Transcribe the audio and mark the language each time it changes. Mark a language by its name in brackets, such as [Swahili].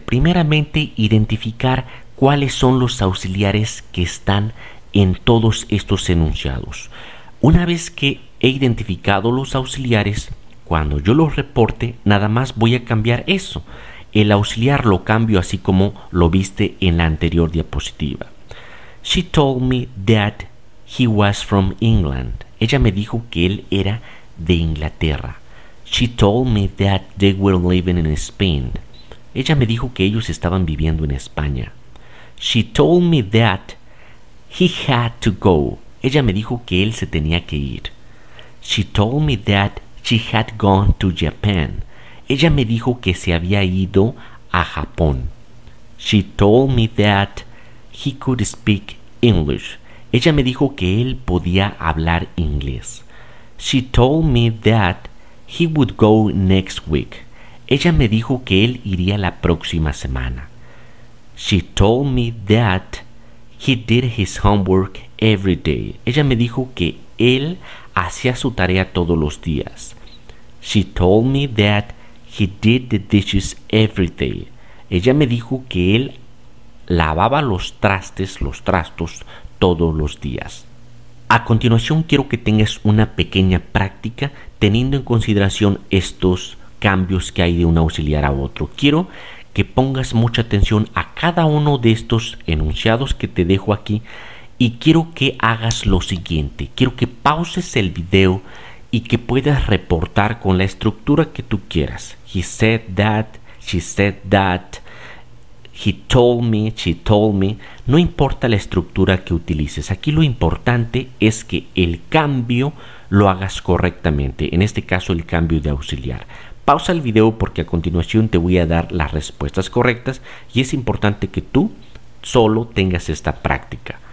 [Spanish] Primeramente, identificar cuáles son los auxiliares que están en todos estos enunciados. Una vez que he identificado los auxiliares, cuando yo los reporte, nada más voy a cambiar eso. El auxiliar lo cambio así como lo viste en la anterior diapositiva. [English] She told me that he was from England. [Spanish] Ella me dijo que él era de Inglaterra. [English] She told me that they were living in Spain. [Spanish] Ella me dijo que ellos estaban viviendo en España. [English] She told me that he had to go. [Spanish] Ella me dijo que él se tenía que ir. [English] She told me that she had gone to Japan. [Spanish] Ella me dijo que se había ido a Japón. [English] She told me that he could speak English. [Spanish] Ella me dijo que él podía hablar inglés. [English] She told me that he would go next week. [Spanish] Ella me dijo que él iría la próxima semana. [English] She told me that he did his homework every day. [Spanish] Ella me dijo que él hacía su tarea todos los días. [English] She told me that he did the dishes every day. [Spanish] Ella me dijo que él lavaba los trastos todos los días. A continuación quiero que tengas una pequeña práctica teniendo en consideración estos cambios que hay de un auxiliar a otro. Quiero que pongas mucha atención a cada uno de estos enunciados que te dejo aquí y quiero que hagas lo siguiente. Quiero que pauses el video y que puedas reportar con la estructura que tú quieras. [English] He said that, she said that, he told me, she told me. [Spanish] No importa la estructura que utilices. Aquí lo importante es que el cambio lo hagas correctamente. En este caso, el cambio de auxiliar. Pausa el video porque a continuación te voy a dar las respuestas correctas y es importante que tú solo tengas esta práctica.